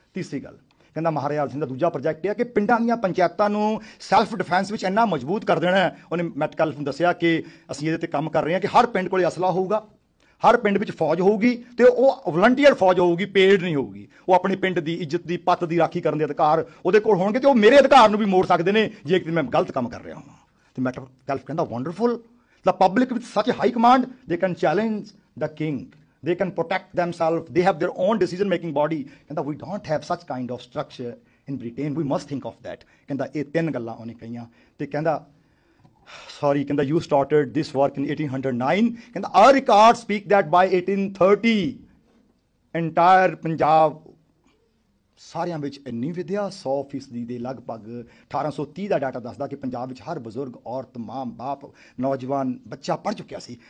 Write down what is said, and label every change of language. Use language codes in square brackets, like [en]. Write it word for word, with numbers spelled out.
[pa] ਤੀਸਰੀ ਗੱਲ ਕਹਿੰਦਾ ਮਹਾਰਾਜਾ ਸਿੰਘ ਦਾ ਦੂਜਾ ਪ੍ਰੋਜੈਕਟ ਇਹ ਹੈ ਕਿ ਪਿੰਡਾਂ ਦੀਆਂ ਪੰਚਾਇਤਾਂ ਨੂੰ ਸੈਲਫ ਡਿਫੈਂਸ ਵਿੱਚ ਇੰਨਾ ਮਜ਼ਬੂਤ ਕਰ ਦੇਣਾ ਹੈ। ਉਹਨੇ ਮੈਟਕਲਫ ਨੂੰ ਦੱਸਿਆ ਕਿ ਅਸੀਂ ਇਹਦੇ 'ਤੇ ਕੰਮ ਕਰ ਰਹੇ ਹਾਂ ਕਿ ਹਰ ਪਿੰਡ ਕੋਲ ਅਸਲਾ ਹੋਊਗਾ, ਹਰ ਪਿੰਡ ਵਿੱਚ ਫੌਜ ਹੋਊਗੀ, ਤੇ ਉਹ ਵਲੰਟੀਅਰ ਫੌਜ ਹੋਊਗੀ, ਪੇਡ ਨਹੀਂ ਹੋਊਗੀ। ਉਹ ਆਪਣੇ ਪਿੰਡ ਦੀ ਇੱਜ਼ਤ ਦੀ, ਪੱਤ ਦੀ ਰਾਖੀ ਕਰਨ ਦੇ ਅਧਿਕਾਰ ਉਹਦੇ ਕੋਲ ਹੋਣਗੇ, ਤੇ ਉਹ ਮੇਰੇ ਅਧਿਕਾਰ ਨੂੰ ਵੀ ਮੋੜ ਸਕਦੇ ਨੇ ਜੇ ਇੱਕ ਦਿਨ ਮੈਂ ਗਲਤ ਕੰਮ ਕਰ ਰਿਹਾ ਹਾਂ। ਤੇ ਮੈਟਕਲਫ ਕਹਿੰਦਾ [en] wonderful, the public with such high command they can challenge the king, they can protect themselves, they have their own decision making body, [pa] ਕਹਿੰਦਾ [en] we don't have such kind of structure in Britain, we must think of that। [pa] ਕਹਿੰਦਾ ਇਹ ਤਿੰਨ ਗੱਲਾਂ ਉਹਨੇ ਕਹੀਆਂ, ਤੇ ਕਹਿੰਦਾ sorry ਕਹਿੰਦਾ [en] you started this work in eighteen oh nine, [pa] ਕਹਿੰਦਾ [en] our records speak that by eighteen thirty entire Punjab [pa] ਸਾਰਿਆਂ ਵਿੱਚ ਇੰਨੀ ਵਿਦਿਆ ਸੌ ਫੀਸਦੀ ਦੇ ਲਗਭਗ, ਅਠਾਰਾਂ ਸੌ ਤੀਹ ਦਾ ਡਾਟਾ ਦੱਸਦਾ ਕਿ ਪੰਜਾਬ ਵਿੱਚ ਹਰ ਬਜ਼ੁਰਗ, ਔਰਤ, ਮਾਂ, ਬਾਪ, ਨੌਜਵਾਨ, ਬੱਚਾ ਪੜ੍ਹ ਚੁੱਕਿਆ ਸੀ।